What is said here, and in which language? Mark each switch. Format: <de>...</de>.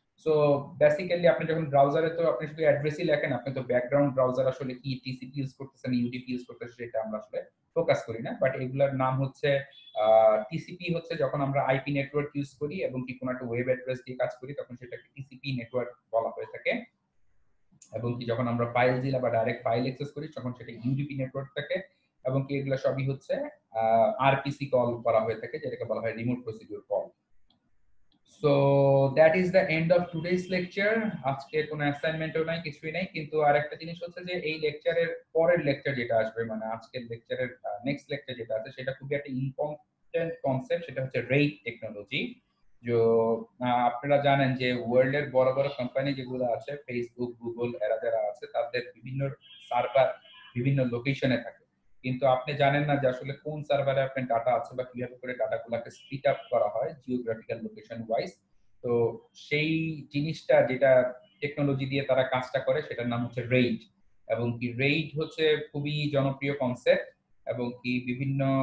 <bn>So basically আপনি যখন ব্রাউজারে তো আপনি শুধু অ্যাড্রেসই লেখেন, আপনি তো ব্যাকগ্রাউন্ড ব্রাউজার আসলে কি TCP ইউজ করতেছেন UDP ইউজ করতেছেন সেটা আমরা আসলে ফোকাস করি না, বাট এগুলোর নাম হচ্ছে TCP হচ্ছে যখন আমরা IP নেটওয়ার্ক ইউজ করি এবং কি কোনো একটা ওয়েব অ্যাড্রেস দিয়ে কাজ করি তখন সেটাকে TCP নেটওয়ার্ক বলা হয়ে থাকে, এবং কি যখন আমরা ফাইল জিলা বা ডাইরেক্ট ফাইল অ্যাক্সেস করি তখন সেটা UDP নেটওয়ার্ক থাকে, এবং কি এগুলো সবই হচ্ছে RPC কল করা হয়ে থাকে যেটাকে বলা হয় remote procedure call.</bn> <en>So that is the end of today's lecture.</en> <bn>আজকে কোনো অ্যাসাইনমেন্টও নাই কিছুই নাই কিন্তু আরেকটা জিনিস হচ্ছে যে এই লেকচারের পরের লেকচার যেটা আসবে মানে আজকের লেকচারের নেক্সট লেকচার যেটা আছে সেটা খুবই একটা ইম্পর্টেন্ট কনসেপ্ট সেটা হচ্ছে রেইট টেকনোলজি যে আপনারা জানেন যে ওয়ার্ল্ডের বড় বড় কোম্পানি যেগুলো আছে ফেসবুক গুগল এরা যারা আছে তাদের বিভিন্ন সার্ভার বিভিন্ন লোকেশনে থাকে কিন্তু আপনি জানেন না যে আসলে কোন সার্ভারে আপনার ডাটা আছে বা কিভাবে করে ডাটাগুলোকে স্পিড আপ করা হয় জিওগ্রাফিক্যাল লোকেশন ওয়াইজ তো সেই জিনিসটা যেটা টেকনোলজি দিয়ে তারা কাজটা করে সেটার নাম হচ্ছে রেইড এবং কি রেইড হচ্ছে খুবই জনপ্রিয় কনসেপ্ট এবং কি বিভিন্ন</bn>